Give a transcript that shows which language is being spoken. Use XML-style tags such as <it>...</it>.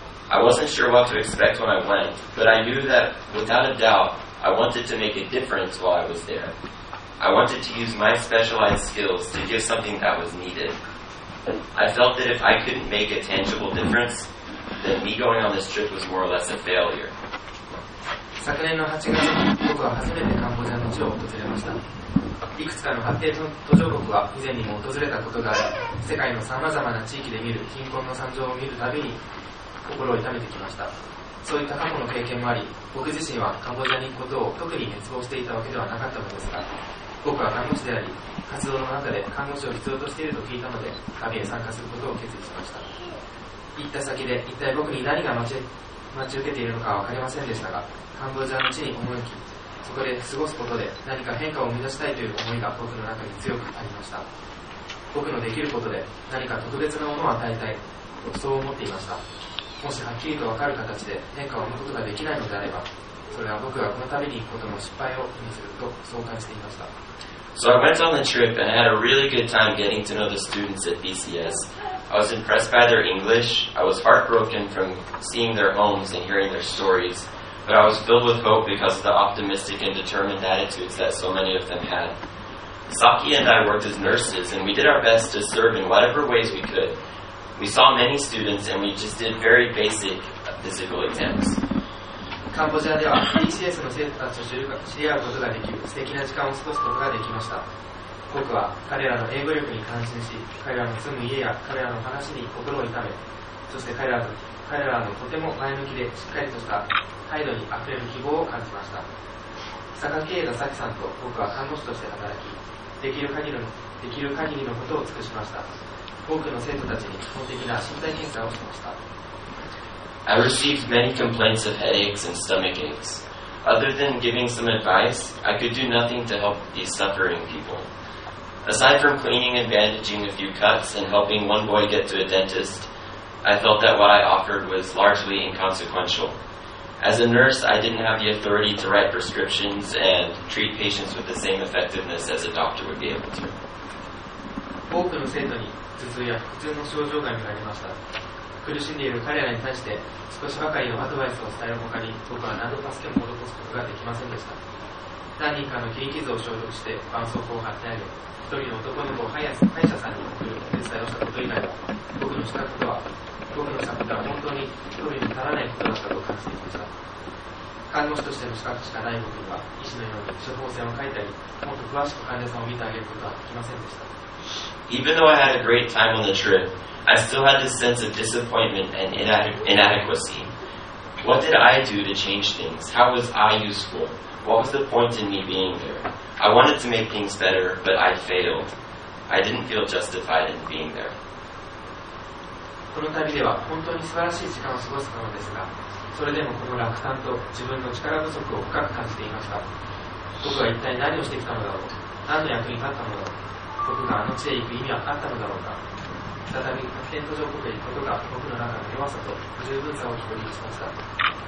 <en>I wasn't sure what to expect when I went, but I knew that, without a doubt, I wanted to make a difference while I was there. I wanted to use my specialized skills to give something that was needed. I felt that if I couldn't make a tangible difference, then me going on this trip was more or less a failure.</en> <ja>昨年の8月に僕は初めてカンボジアの地を訪れました。いくつかの発展途上国は以前にも訪れたことがあり、世界のさまざまな地域で見る貧困の惨状を見るたびに心を痛めてきました。そういった過去の経験もあり、僕自身はカンボジアに行くことを特に熱望していたわけではなかったのですが、僕は看護師であり、活動の中で看護師を必要としていると聞いたので、旅へ参加することを決意しました。行った先で一体僕に何が待 ち, 待ち受けているのかは分かりませんでしたが、カンボジアの地に赴き、そこで過ごすことで何か変化を生み出したいという思いが僕の中に強くありました。僕のできることで何か特別なものを与えたい、とそう思っていました。もしはっきりと分かる形で変化を生むことができないのであれば、それは僕がこの旅に行くことの失敗を意味すると、そう感じていました。</ja> <en>So I went on the trip and I had a really good time getting to know the students at BCS. I was impressed by their English. I was heartbroken from seeing their homes and hearing their stories. But I was filled with hope because of the optimistic and determined attitudes that so many of them had. Saki and I worked as nurses and we did our best to serve in whatever ways we could. We saw many students and we just did very basic physical exams.</en> <ja>カンボジアでは BCS の生徒たちと知り合うことができる素敵な時間を過ごすことができました。僕は彼らの英語力に感心し、彼らの住む家や彼らの話に心を痛め、そして彼らのとても前向きでしっかりとした態度にあふれる希望を感じました。坂経営の佐紀さんと僕は看護師として働き、できる限りのことを尽くしました。多くの生徒たちに基本的な身体検査をしました。</ja> <en>I received many complaints of headaches and stomach aches. Other than giving some advice, I could do nothing to help these suffering people. Aside from cleaning and bandaging a few cuts and helping one boy get to a dentist, I felt that what I offered was largely inconsequential. As a nurse, I didn't have the authority to write prescriptions and treat patients with the same effectiveness as a doctor would be able to.</en> <ja>多くの生徒に頭痛や腹痛の症状が見られました。苦しんでいる彼らに対して少しばかりのアドバイスを伝えるほかに、僕は何の助けも施すことができませんでした。何人かの切り傷を消毒して絆創膏を貼ってあげ、一人の男の子を歯医者さんに送る手伝いをしたこと以外は、僕のしたことは本当に一人に足らないことだったと感じていました。看護師としての資格しかない僕には医師のように処方箋を書いたり、もっと詳しく患者さんを見てあげることはできませんでした。</ja> <en>Even though I had a great time on the tripI still had this sense of disappointment and inadequacy. What did I do to change things? How was I useful? What was the point in me being there? I wanted to make things better, but I failed. I didn't feel justified in being there.</en> <ja>この旅では本当に素晴らしい時間を過ごしたのですが、それでもこの落胆と自分の力不足を深く感じていました。僕は一体何をしてきたのだろう？何の役に立ったのだろう？僕があの地へ行く意味はあったのだろうか？再び発展途上国へ行くことが僕の中の弱さと不十分さを表現しました。</ja>